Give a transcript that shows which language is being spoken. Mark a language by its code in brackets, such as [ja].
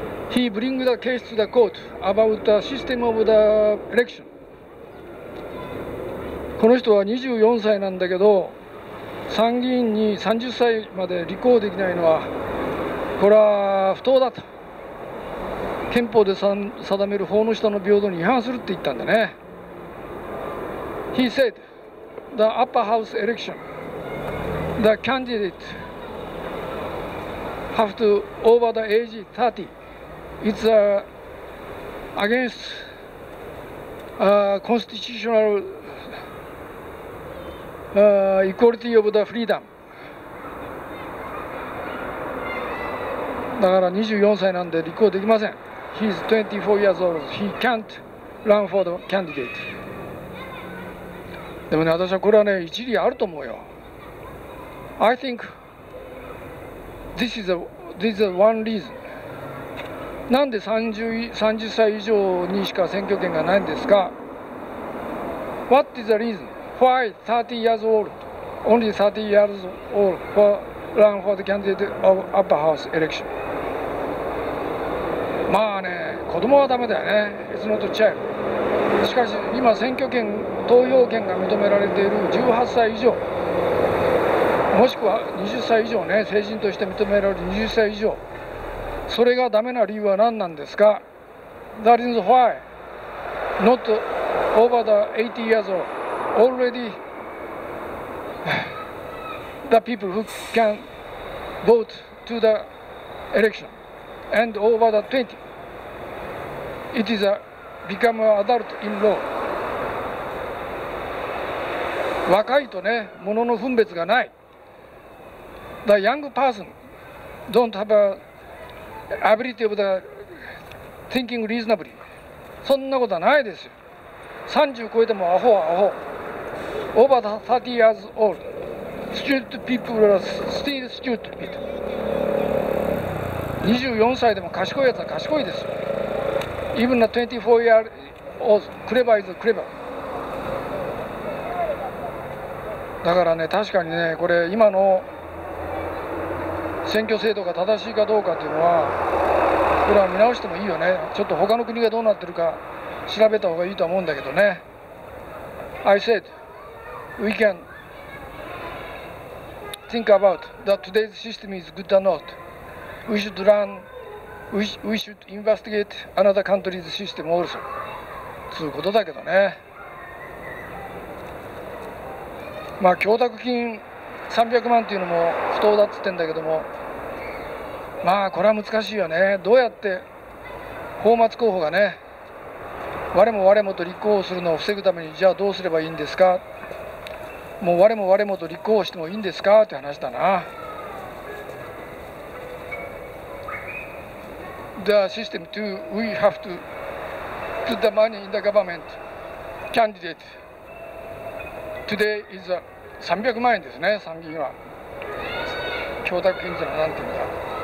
[en] He bring the case to the court about the system of the election。 [ja] この人は24歳なんだけど参議院に30歳まで立候補できないのはこれは不当だと、憲法で定める法の下の平等に違反するって言ったんだね。 [en] He said the upper house election the candidate have to over the age 30 it's against constitutionalequality of the freedom。 [ja] だから24歳なんで立候補できません。 [en] He's 24 years old. He can't run for the candidate。 [ja] でもね、私はこれはね、一理あると思うよ。 [en] I think this is one reason。 [ja] なんで30歳以上にしか選挙権がないんですか。 [en] What is the reason? Why 30 years old? Only 30 years old for run for the candidate of upper house election? [ja] まあね、子供はダメだよね。 [en] It's not a child。 [ja] しかし今選挙権、投票権が認められている18歳以上、もしくは20歳以上ね、成人として認められる20歳以上、それがダメな理由は何なんですか。 [en] That is why not over the 80 years old? Already the people who can vote to the election and over the 20 it is a become an adult in law。 [ja] 若いとね、物の分別がない。 [en] The young person don't have a ability of the thinking reasonably。 [ja] そんなことはないですよ。 30超えてもアホはアホ。 [en] Over 30 years old, stupid people are still stupid people. [ja] 24歳でも賢いやつは賢いですよ。 [en] Even a 24 year old, clever is clever. [ja] だからね、確かにね、これ今の選挙制度が正しいかどうかというのは、これは見直してもいいよね。ちょっと他の国がどうなってるか調べた方がいいと思うんだけどね。 [en] I said,We can think about that today's system is good or not. We should run, we should investigate another country's system also. [ja] つうことだけどね。まあ、供託金300万っていうのも不当だっつってんだけども、まあ、これは難しいよね。どうやって、泡沫候補がね、我も我もと立候補するのを防ぐために、じゃあどうすればいいんですか。もう我もと立候補してもいいんですかって話だな。 [en] The system to we have to put the money in the government candidate today is [ja] 300万円ですね。参議院は供託金じゃなんていうんだ。